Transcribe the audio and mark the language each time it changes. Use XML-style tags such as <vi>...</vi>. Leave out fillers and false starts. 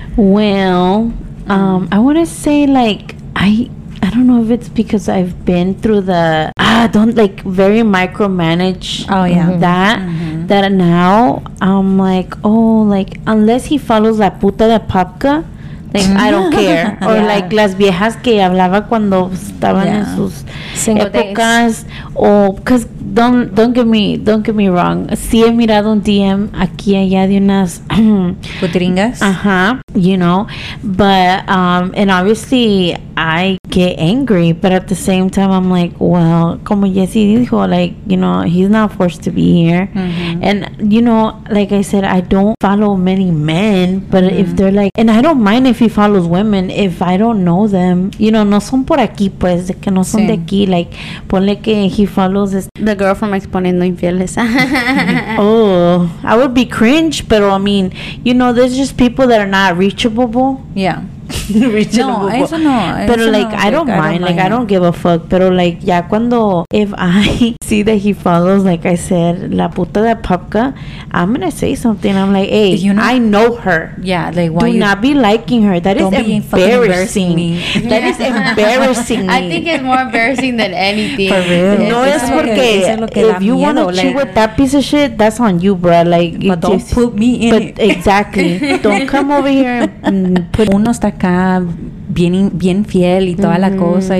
<en>Well, I want to say, like, I don't know if it's because I've been through the, don't like very micromanage oh, yeah. that. Mm-hmm. That now I'm like, oh, like, unless he follows</en> <es>la puta de Popka,</es> <en>like, I don't care. Or yeah.</en> <es>like las viejas que hablaba cuando estaban yeah. en sus single épocas.</es> <en>O, because don't get me wrong.</en> <es>Sí he mirado un DM aquí allá de unas putringas. Ajá.</es> <en>You know, but and obviously I get angry, but at the same time I'm like, well,</en> <es>como Jesse dijo,</es> <en>like, you know, he's not forced to be here. Mm-hmm. And, you know, like I said, I don't follow many men, but mm-hmm. if they're like, and I don't mind if he follows women, if I don't know them, you know,</en> <es>no son por aquí, pues, que no son de aquí,</es> <en>like,</en> <es>ponle que</es> <en>he follows this. The girl from Exponiendo Infieles. Oh, I would be cringe, pero, I mean, you know, there's just people that are not reachable. Yeah.</en> <es>Reachable. No, eso no. Pero, eso</es> <en>like, no, I don't like, mind. I don't like, mind. I don't give a fuck. Pero, like,</en> <es>ya cuando,</es> <en>if I see that he follows, like I said,</en> <es>la puta de Popka,</es> <en>I'm gonna say something. I'm like, hey, you know, I know her. Yeah, like, why do you not be liking her? That is embarrassing. That is embarrassing. I think it's more embarrassing than anything. For real.</en> <es>No, es porque</es> <en>if you want to chew with that piece of shit, that's on you, bro. Like, but don't just put me in. But exactly. Don't come over here and put</en> <es>uno está acá bien fiel y toda la cosa.</es>